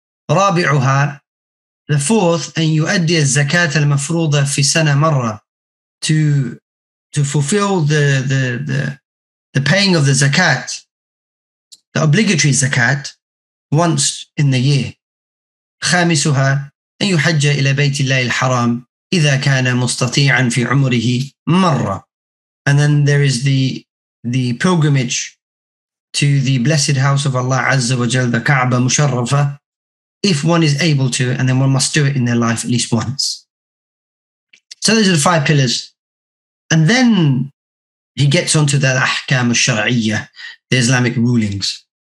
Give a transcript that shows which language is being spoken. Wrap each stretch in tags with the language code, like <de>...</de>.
<ar>رَابِعُهَا,</ar> <en>the fourth,</en> <ar>أن يؤدي الزكاة المفروضة في سنة مرة,</ar> <en>to fulfill the paying of the zakat, the obligatory zakat, once in the year.</en> <ar>خامسها أن يحج إلى بيت الله الحرام إذا كان مستطيعا في عمره مرة.</ar> <en>And then there is the pilgrimage to the blessed house of Allah Azza wa Jal, the Kaaba Musharrafa, if one is able to, and then one must do it in their life at least once. So those are the five pillars. And then he gets onto the Ahkam al-Shar'iyya, the Islamic rulings.</en>